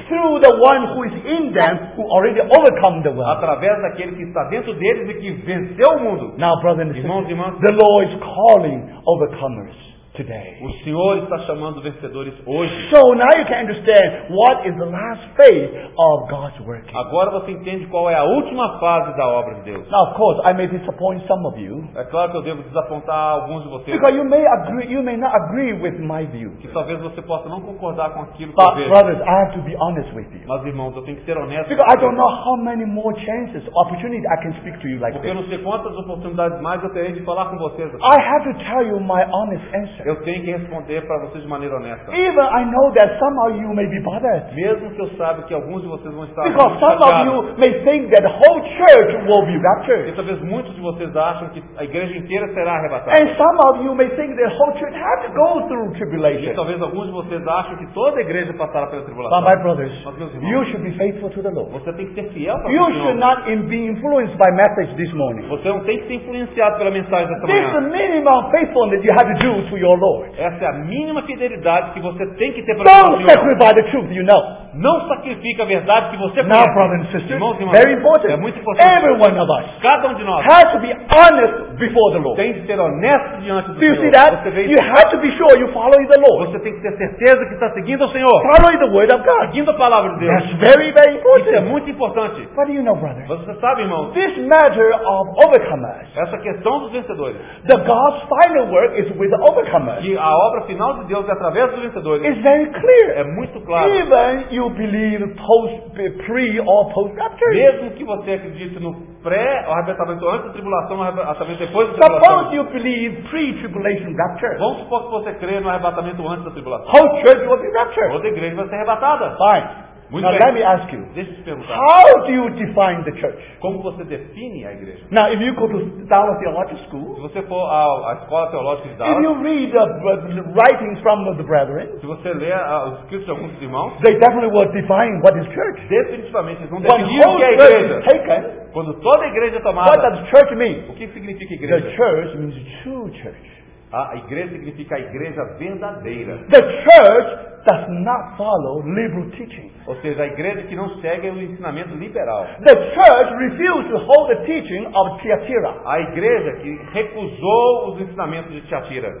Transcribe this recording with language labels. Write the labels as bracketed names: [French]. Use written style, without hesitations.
[English] Through the one who is in them who already overcome the world. [Portuguese] Através daquele que está dentro deles e que venceu o mundo. [English] Now, brothers and [Portuguese] irmãos e irmãs, [English] the Lord is calling overcomers. Today. [Portuguese] O Senhor está chamando vencedores hoje. [English] So now you can understand what is the last phase of God's working. [Portuguese] Agora você entende qual é a última fase da obra de Deus. [English] Now of course I may disappoint some of you. [Portuguese] É claro que eu devo desapontar alguns de vocês. [English] Because you may not agree with my view. [Portuguese] Que talvez você possa não concordar com aquilo [English] but [Portuguese] que eu vejo. [English] Brothers, I have to be honest with you. [Portuguese] Mas irmãos, eu tenho que ser honesto. [English] Because I don't know how many more chances, opportunities I can speak to you like this. [Portuguese] Porque eu não sei quantas oportunidades mais eu terei de falar com vocês. [English] I have to tell you my honest answer. [Portuguese] Eu tenho que responder para vocês de maneira honesta. [English] Even I know that some of you may be bothered. [Portuguese] Mesmo que eu saiba que alguns de vocês vão estar [English] because some of you may think that the whole church will be raptured. [Portuguese] E talvez muitos de vocês acham que a igreja inteira será arrebatada. [English] And some of you may think that the whole church has to go through tribulation. [Portuguese] E talvez alguns de vocês acham que toda a igreja passará pela tribulação. [English] But my brothers, [Portuguese] mas meus irmãos, [English] you should be faithful to the Lord. [Portuguese] Você tem que ser fiel para o Senhor. [English] You should not be influenced by message this morning. [Portuguese] Você não tem que ser influenciado pela mensagem desta manhã. [English] This is the minimum faithfulness you have to do to your [Portuguese] essa é a mínima fidelidade que você tem que ter para o Senhor. [English] Don't sacrifice the truth, you know. [Portuguese] Não sacrifique a verdade que você conhece. [English] Now, brothers and sisters, [Portuguese] irmãos e irmãs, [English] very important. [Portuguese] É muito importante. [English] Every one of us. [Portuguese] Cada um de nós. [English] Has to be honest before the Lord. [Portuguese] Tem que ser honesto diante do Senhor. [English] Do you see that? You have to be sure you follow the Lord. [Portuguese] Você tem que ter certeza que está seguindo o Senhor. [English] Follow the word of God. [Portuguese] Seguindo a palavra de Deus. [English] That's very, very important. [Portuguese] Isso é muito importante. [English] What do you know, brother? [Portuguese] Você sabe, irmão? [English] This matter of overcomers. [Portuguese] Essa questão dos vencedores. [English] The God's final work is with the overcomers. [Portuguese] Que a obra final de Deus é através dos vencedores. [English] It's very clear. [Portuguese] É muito claro. [English] Even you believe pre or post rapture. [Portuguese] Mesmo que você acredite no pré-arrebatamento antes da tribulação, no arrebatamento depois da tribulação. [English] Suppose you believe pre-tribulation rapture. [Portuguese] Vamos supor que você crê no arrebatamento antes da tribulação. [English] How church will be raptured? [Portuguese] Toda igreja vai ser arrebatada. [English] Fine. [Portuguese] Muito [English] now [Portuguese] bem. [English] Let me ask you. [Portuguese] Deixa eu te perguntar. [English] How do you define the church? [Portuguese] Como você define a igreja? [English] Now, if you go to Dallas Theological School, [Portuguese] se você for à escola teológica de Dallas, [English] if you read the writings from the brethren, [Portuguese] se você lê os escritos de alguns irmãos, [English] they definitely will define what is church. [Portuguese] Definitivamente, eles vão definir o que é igreja. [English] Taken, [Portuguese] quando toda a igreja é tomada, [English] what does church mean? [Portuguese] O que significa igreja? [English] The church means true church. [Portuguese] A igreja significa a igreja verdadeira. [English] The church does not follow liberal teaching. [Portuguese] Ou seja, a igreja que não segue o ensinamento liberal. [English] The church refused to hold the teaching of Thyatira. [Portuguese] A igreja que recusou os ensinamentos de Thyatira.